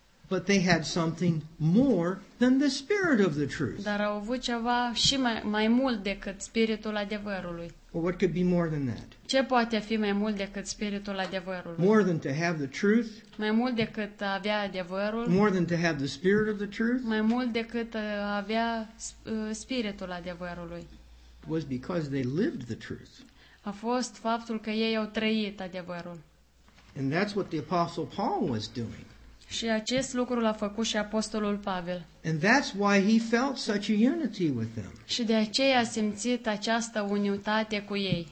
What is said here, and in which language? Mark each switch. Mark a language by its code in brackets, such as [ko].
[en] But they had something more than the spirit of the truth. [ro] Dar au avut ceva și mai mult decât spiritul adevărului. [en] Well, what could be more than that? [ro] Ce poate fi mai mult decât spiritul adevărului? [en] More than to have the truth? [ro] Mai mult decât avea adevărul? [en] More than to have the spirit of the truth? [ro] Mai mult decât avea spiritul adevărului? [en] Was because they lived the truth. [ro] A fost faptul că ei au trăit adevărul. [en] And that's what the apostle Paul was doing. [ro] Și acest lucru l-a făcut și apostolul Pavel. [en] And that's why he felt such a unity with them. [ro] Și de aceea a simțit această unitate cu ei.